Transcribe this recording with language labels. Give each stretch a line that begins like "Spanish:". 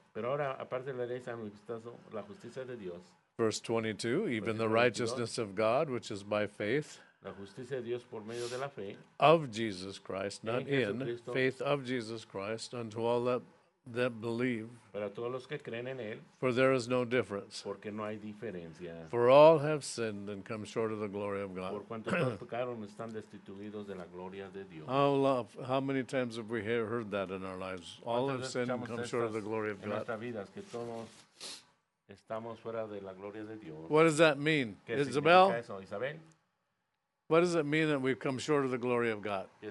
Spanish: Pero ahora, aparte de la ley, se ha manifestado la justicia de Dios.
English: Verse 22, even the righteousness of God, which is by faith.
Spanish: La justicia de Dios por medio de la fe.
English: Of Jesus Christ, not in. Faith of Jesus Christ unto all that believe.
Spanish: Para todos los que creen en él,
English: for there is no difference.
Spanish: Porque no hay diferencia.
English: For all have sinned and come short of the glory of God.
Spanish: Por cuanto todos pecaron, están destituidos de la gloria de Dios.
English: How many times have we heard that in our lives? All have sinned and come short of the glory of God.
Spanish: En nuestras vidas, que todos estamos fuera de la gloria de Dios.
English: What does that mean?
Spanish: ¿Qué Isabel? Significa eso, Isabel?
English: What does it mean that we've come short of the glory of God?